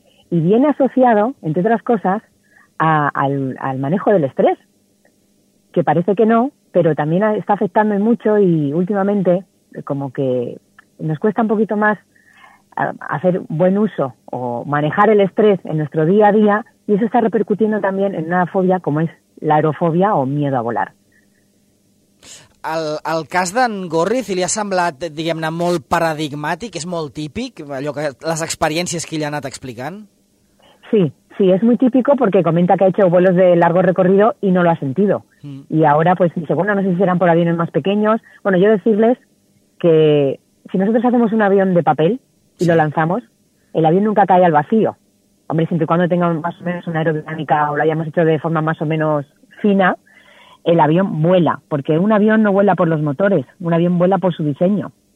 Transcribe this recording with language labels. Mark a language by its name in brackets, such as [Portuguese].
[Spanish] Y viene asociado, entre otras cosas, al manejo del estrés, que parece que no, pero también está afectando mucho y últimamente como que nos cuesta un poquito más hacer buen uso o manejar el estrés en nuestro día a día, y eso está repercutiendo también en una fobia como es la aerofobia o miedo a volar. [Catalan] El cas d'en Gorriz li ha semblat, diguem-ne, molt paradigmàtic, és molt típic, allò que les experiències que ell ha anat explicant? [Spanish] Sí, es muy típico porque comenta que ha hecho vuelos de largo recorrido y no lo ha sentido. Y ahora, pues, dice, bueno, no sé si serán por aviones más pequeños. Bueno, yo decirles que si nosotros hacemos un avión de papel y lo lanzamos, el avión nunca cae al vacío. Hombre, siempre y cuando tenga más o menos una aerodinámica o lo hayamos hecho de forma más o menos fina, el avión vuela, porque un avión no vuela por los motores, un avión vuela por su diseño.